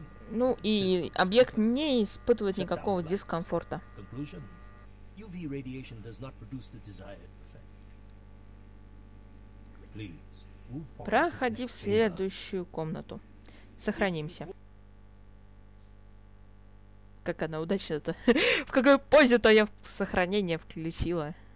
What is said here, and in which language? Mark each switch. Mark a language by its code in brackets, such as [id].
[ru] Ну и объект не испытывает никакого дискомфорта. [en] UV radiation does not produce the desired effect. Please, move on. [ru] Проходи в следующую комнату. Сохранимся. Как она удачно-то. В какой позе-то я сохранение включила.